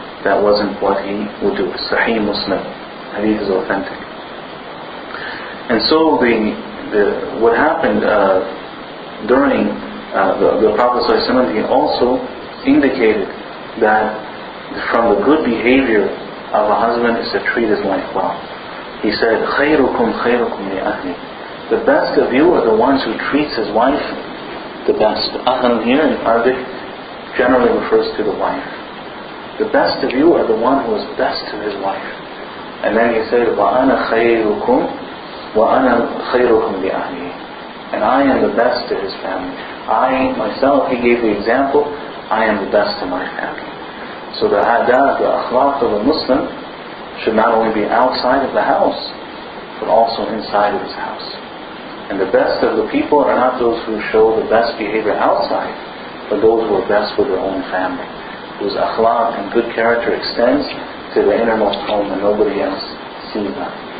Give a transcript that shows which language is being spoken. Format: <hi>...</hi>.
<en>That wasn't what he would do. Sahih Muslim. Hadith is authentic. And so what happened during the Prophet ﷺ, he also indicated that from the good behavior of a husband is to treat his wife well. He said,</en> <ar>خَيْرُكُمْ خَيْرُكُمْ لِأَهْلِ.</ar> <en>The best of you are the ones who treats his wife the best. Ahl here in Arabic generally refers to the wife. The best of you are the one who is best to his wife. And then he said,</en> <ar>وَأَنَا خَيْرُكُمْ وَأَنَا خَيْرُكُمْ لِأَهْلِ.</ar> <en>And I am the best to his family. I myself, he gave the example, I am the best to my family. So the adab, the akhlaq of a Muslim should not only be outside of the house, but also inside of his house. And the best of the people are not those who show the best behavior outside, but those who are best with their own family, whose akhlaq and good character extends to the innermost home and nobody else sees that.</en>